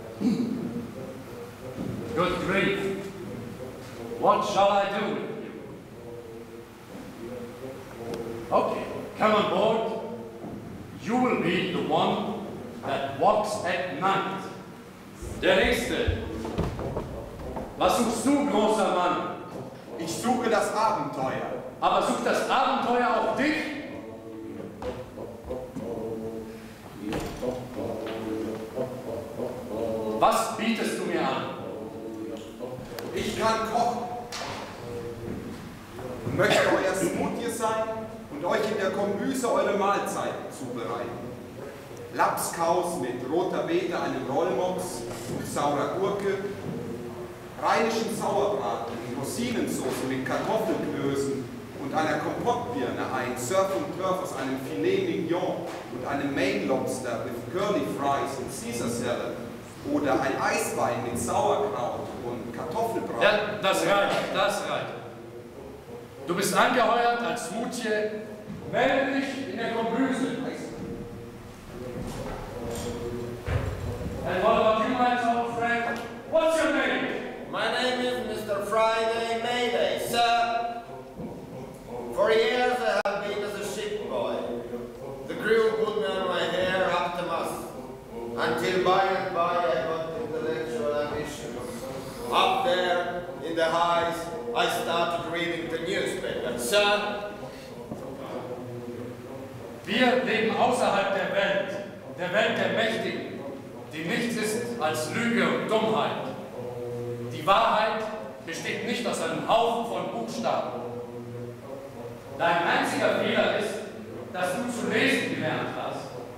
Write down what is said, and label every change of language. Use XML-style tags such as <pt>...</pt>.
<en>Good grief. What shall I do with you? Okay, come aboard. You will be the one that walks at night.</en> <de>Der Nächste. Was suchst du, großer Mann? Ich suche das Abenteuer. Aber sucht das Abenteuer auf dich? Was bietest du mir an? Ich kann kochen. Möchte euer Smoothie sein und euch in der Kombüse eure Mahlzeit zubereiten. Lapskaus mit roter Beete, einem Rollmops, saurer Gurke, rheinischen Sauerbraten in Rosinensauce mit Kartoffelklößen und einer Kompottbirne, ein Surf und Turf aus einem Filet Mignon und einem Maine Lobster mit Curly Fries und Caesar Salad oder ein Eiswein mit Sauerkraut und Kartoffelbraten. Ja, das reicht, das reicht. Du bist angeheuert als Smoothie, melde dich in der Kombüse.</de> <en>And what about you, my old friend? What's your name? My name is Mr. Friday Mayday, sir. For years I have been as a ship boy. The crew put me on my hair after mass. Until by and by I got intellectual ambition. Up there, in the highs, I started reading the newspaper, sir.</en> <de>Wir leben außerhalb der Welt der Mächtigen. Die nichts ist als Lüge und Dummheit. Die Wahrheit besteht nicht aus einem Haufen von Buchstaben. Dein einziger Fehler ist, dass du zu lesen gelernt hast.</de>